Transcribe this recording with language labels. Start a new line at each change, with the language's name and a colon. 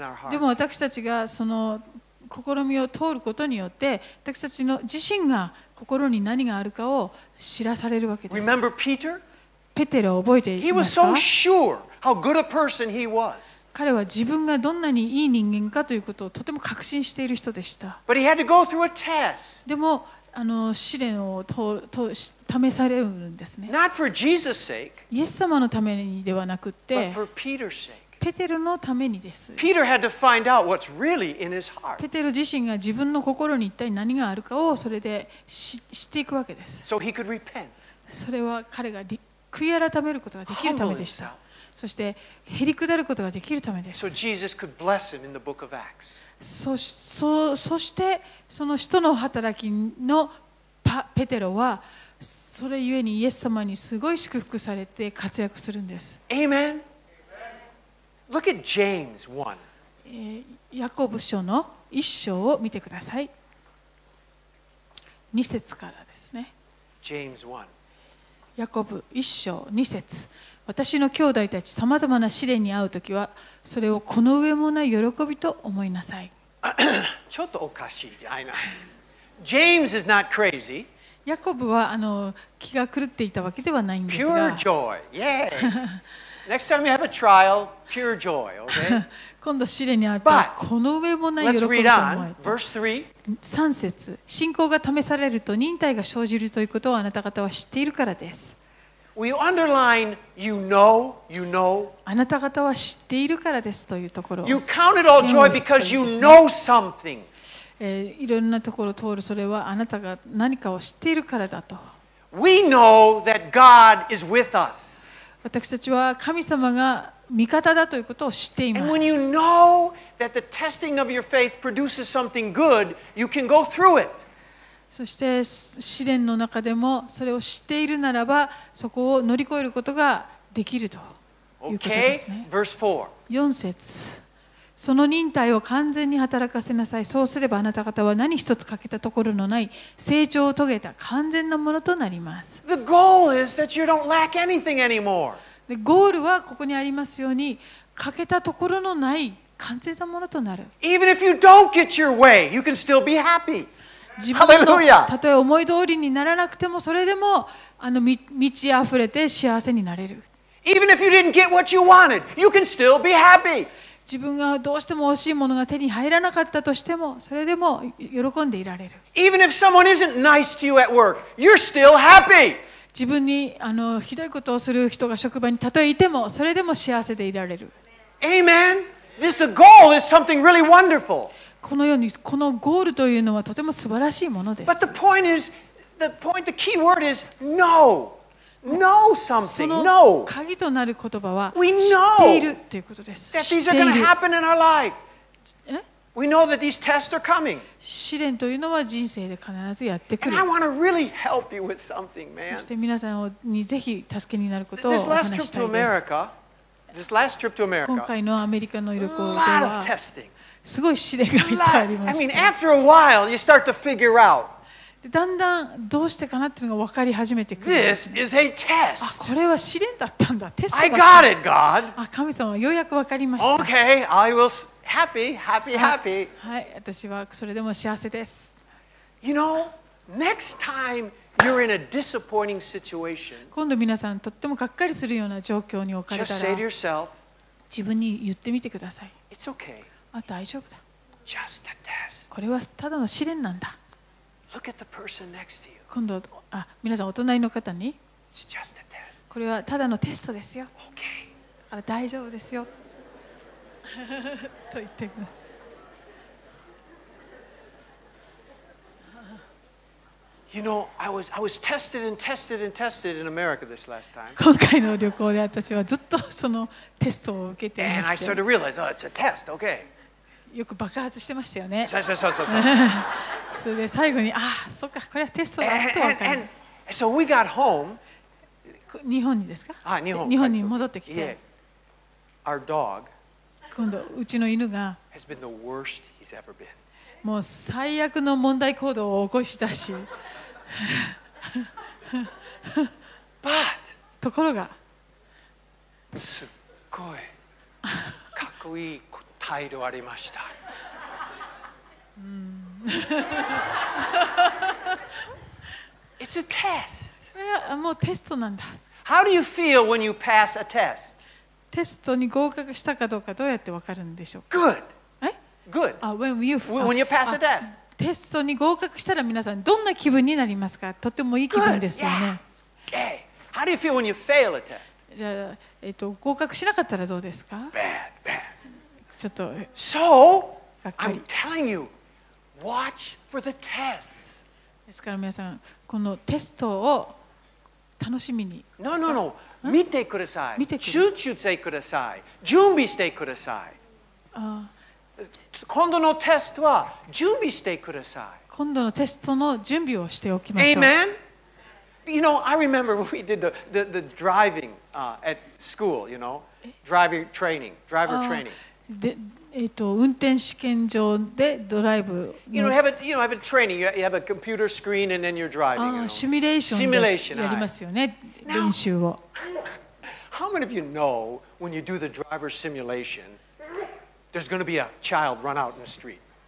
Japanese: でも私たちがその試みを通ることによって、私たちの自身が心に何があるかを知らされるわけです。
English: Remember Peter?
Japanese: ペテロを覚えていますか？
English: He was so sure how good a person he was.
Japanese: 彼は自分がどんなにいい人間かということをとても確信している人でした。
English: But he had to go through a test.
Japanese: でも試練を試されるんですね。
English: Not for Jesus' sake,
Japanese: イエス様のためにではなくて、
English: but for Peter's sake.
Japanese: ペテロのためにです。
English: Peter had to find out what's really in his heart.
Japanese: ペテロ自身が自分の心に一体何があるかをそれで知っていくわけです。
English: So he could repent.
Japanese: それは彼が悔い改めることができるためでした。そして減り下ることができるためです。
English: So Jesus could bless him in the book of Acts.
Japanese: そしてその使徒の働きのペテロはそれゆえにイエス様にすごい祝福されて活躍するんです。
English: Amen. Look at James 1.
Japanese: ヤコブ書の1章を見てください。 2節からですね。
English: James
Japanese: 1. ヤコブ1章2節。私の兄弟たち、さまざまな試練に遭うときはそれをこの上もない喜びと思いなさい。ちょっとおかしい。
English: James is not crazy.
Japanese: ヤコブは気が狂っていたわけではないんですが。
English: Pure joy, yay! Next time you have a trial, pure joy, okay?
Japanese: 今度試練に遭ったらこの上もない喜びと思います。
English: Let's read on. Verse
Japanese: 3. 3節。信仰が試されると忍耐が生じるということをあなた方は知っているからです。
English: We underline, you know, you know.
Japanese: あなた方は知っているからですというところ。
English: You count it all joy because you know something.
Japanese: いろんなところを通る、それはあなたが何かを知っているからだと。
English: We know that God is with us.
Japanese: 私たちは神様が味方だということを知っています。
English: And when you know that the testing of your faith produces something good, you can go through it.
Japanese: そして試練の中でもそれを知っているならばそこを乗り越えることができるということですね。
English: Okay. Verse 4.
Japanese: 4節。その忍耐を完全に働かせなさい。そうすればあなた方は何一つ欠けたところのない成長を遂げた完全なものとなります。
English: The goal is that you don't lack anything anymore.
Japanese: でゴールはここにありますように欠けたところのない完全なものとなる。
English: Even if you don't get your way, you can still be happy.
Japanese: 自分のたとえ思い通りにならなくてもそれでも満ちあふれて幸せになれる。
English: Even if you didn't get what you wanted, you can still be happy.
Japanese: 自分がどうしても欲しいものが手に入らなかったとしてもそれでも喜んでいられる。
English: Even if someone isn't nice to you at work, you're still happy.
Japanese: 自分にひどいことをする人が職場にたとえいてもそれでも幸せでいられる。
English: Amen. This goal is something really wonderful.
Japanese: このようにこのゴールというのはとても素晴らしいものです。
English: But the point is, the key word is know, know something, know.
Japanese: その鍵となる言葉は知っているということです。
English: That these are going to happen in our life. We know that these tests are coming.
Japanese: 試練というのは人生で必ずやってくる。
English: And I want to really help you with something, man.
Japanese: そして皆さんにぜひ助けになることをお話したいです。
English: This last trip to America.
Japanese: 今回のアメリカの旅行では。
English: A lot of testing.
Japanese: すごい試練がいっぱいありました。
English: I mean, after a while, you start to figure out.
Japanese: だんだんどうしてかなっていうのが分かり始めてくる。
English: This is a test.
Japanese: あ、これは試練だったんだ。テストだ。
English: I got it, God.
Japanese: あ、神様、ようやく分かりました。
English: Okay, I will happy, happy, happy.
Japanese: はい、私はそれでも幸せです。
English: You know, next time You're in a disappointing situation.
Japanese: 今度皆さんとってもがっかりするような状況に置かれたら、自分に言ってみてください。
English: It's okay.
Japanese: あ、大丈夫だ。
English: Just a test.
Japanese: これはただの試練なんだ。
English: Look at the person next to you.
Japanese: 今度、あ、皆さんお隣の方に、
English: It's just a test.
Japanese: これはただのテストですよ。
English: Okay.
Japanese: だから大丈夫ですよ。と言ってくる。
English: You know, I was tested and tested and tested in America this last time.
Japanese: 今回の旅行で私はずっとそのテストを受けていました。
English: And I sort of realized, oh, it's a test, okay.
Japanese: よく爆発してましたよね。そうそうそうそう。それで最後に、ああ、そっか、これはテストだと分かりました。
English: And so we got home.
Japanese: 日本にですか？あ、日本。日本に戻ってきて。
English: Yeah. Our dog.
Japanese: 今度うちの犬が。
English: Has been the worst he's ever been.
Japanese: もう最悪の問題行動を起こしたし。
English: But,
Japanese: ところがすっごいかっこいい態度ありました
English: It's a test.
Japanese: いやもうテストなんだ
English: How do you feel when you pass a test?
Japanese: テストに合格したかどうかどうやってわかるんでしょうか
English: Good.
Japanese: え?
English: Good. When you pass a test.
Japanese: テストに合格したら皆さんどんな気分になりますか。とてもいい気分ですよね。
English: Good. Yeah. Okay. How do you feel when you fail a test?
Japanese: じゃあ、合格しなかったらどうですか。
English: Bad, bad.
Japanese: ちょっと。
English: So, I'm telling you, watch for the tests.
Japanese: ですから皆さんこのテストを楽しみに。
English: No, no, no.
Japanese: 見てください。見てください。集中してください。準備してください。今度のテストは準備してください。今度のテストの準備をしておきましょう。
English: Amen. You know, I remember when we did the driving at school. You know, driver training.
Japanese: で、運転試験場でドライブ。
English: You have a training. You have a computer screen and then you're driving.
Japanese: シミュレーションで
English: simulation,
Japanese: やりますよね。練習を。
English: How many of you know when you do the driver simulation? There's going to be a child run out in the street.